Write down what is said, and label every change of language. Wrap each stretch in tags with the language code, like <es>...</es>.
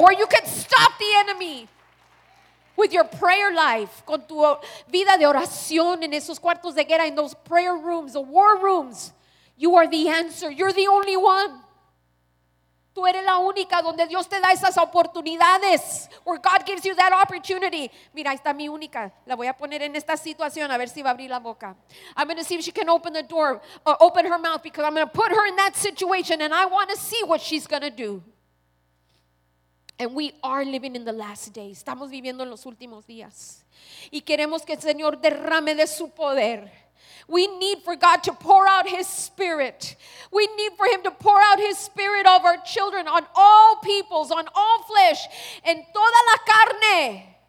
<en>where you can stop the enemy. With your prayer life,</en> <es>con tu vida de oración en esos cuartos de guerra,</es> <en>in those prayer rooms, the war rooms, you are the answer. You're the only one.</en> <es>Tú eres la única donde Dios te da esas oportunidades,</es> <en>where God gives you that opportunity.</en> <es>Mira, ahí está mi única. La voy a poner en esta situación a ver si va a abrir la boca.</es> <en>I'm going to see if she can open the door, open her mouth, because I'm going to put her in that situation and I want to see what she's going to do. And we are living in the last days.</en> <es>Estamos viviendo en los últimos días. Y queremos que el Señor derrame de su poder.</es> <en>We need for God to pour out His Spirit. We need for Him to pour out His Spirit of our children, on all peoples, on all flesh,</en> <es>en toda la carne.</es>